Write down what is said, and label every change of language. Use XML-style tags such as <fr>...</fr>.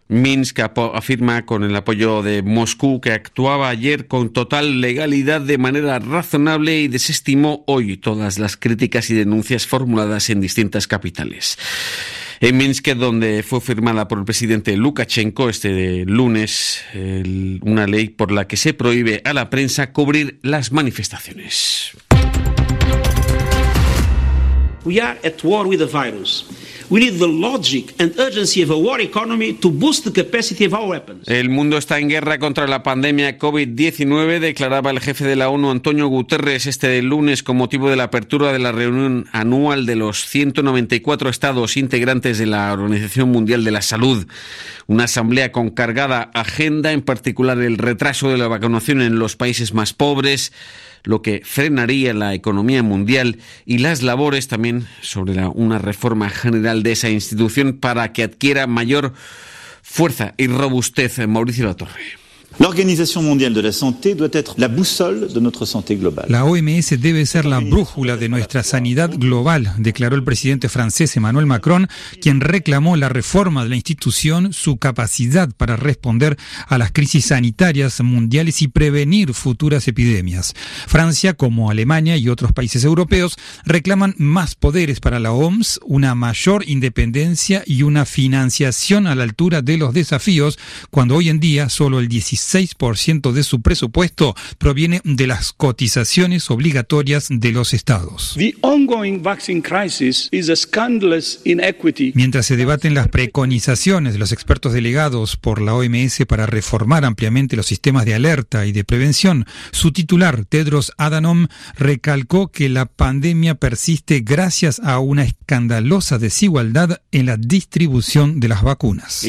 <es>Minsk afirma, con el apoyo de Moscú, que actuaba ayer con total legalidad, de manera razonable, y desestimó hoy todas las críticas y denuncias formuladas en distintas capitales. En Minsk, donde fue firmada por el presidente Lukashenko este lunes una ley por la que se prohíbe a la prensa cubrir las manifestaciones.</es> <en>We are at war with the virus. We need the logic and urgency of a war economy to boost the capacity of our weapons.</en> <es>El mundo está en guerra contra la pandemia COVID-19, declaraba el jefe de la ONU, Antonio Guterres, este lunes con motivo de la apertura de la reunión anual de los 194 estados integrantes de la Organización Mundial de la Salud. Una asamblea con cargada agenda, en particular el retraso de la vacunación en los países más pobres, lo que frenaría la economía mundial, y las labores también sobre una reforma general de esa institución para que adquiera mayor fuerza y robustez. Mauricio Latorre.</es> <fr>L'Organisation mondiale de la santé doit être la boussole de notre santé globale.</fr> <es>La OMS debe ser la brújula de nuestra sanidad global, declaró el presidente francés Emmanuel Macron, quien reclamó la reforma de la institución, su capacidad para responder a las crisis sanitarias mundiales y prevenir futuras epidemias. Francia, como Alemania y otros países europeos, reclaman más poderes para la OMS, una mayor independencia y una financiación a la altura de los desafíos, cuando hoy en día solo el 17%. 6% de su presupuesto proviene de las cotizaciones obligatorias de los estados.</es> <en>The ongoing vaccine crisis is a scandalous inequity.</en> <es>Mientras se debaten las preconizaciones de los expertos delegados por la OMS para reformar ampliamente los sistemas de alerta y de prevención, su titular, Tedros Adhanom, recalcó que la pandemia persiste gracias a una escandalosa desigualdad en la distribución de las vacunas.</es>